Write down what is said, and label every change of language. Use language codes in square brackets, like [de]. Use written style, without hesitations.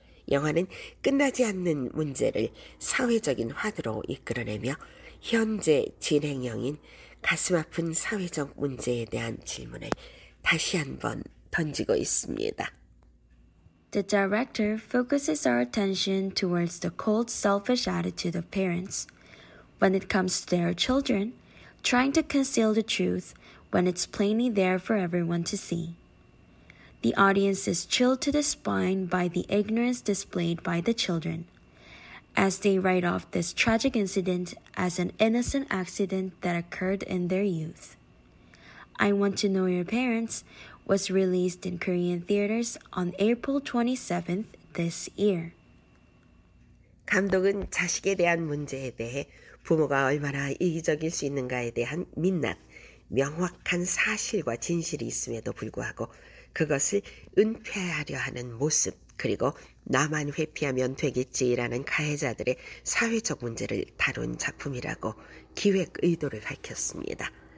[ko] 영화는 끝나지 않는 문제를 사회적인 화두로 이끌어내며 현재 진행형인 가슴 아픈 사회적 문제에 대한 질문을 다시 한번 던지고 있습니다. [en] The director focuses our attention towards the cold, selfish attitude of parents. When it comes to their children, trying to conceal the truth when it's plainly there for everyone to see. The audience is chilled to the spine by the ignorance displayed by the children, as they write off this tragic incident as an innocent accident that occurred in their youth. I Want to Know Your Parents was released in Korean theaters on April 27th this year. [ko] 감독은 자식에 대한 문제에 대해 부모가 얼마나 이기적일 수 있는가에 대한 민낯, 명확한 사실과 진실이 있음에도 불구하고 그것을 은폐하려 하는 모습, 그리고 나만 회피하면 되겠지라는 가해자들의 사회적 문제를 다룬 작품이라고 기획 의도를 밝혔습니다.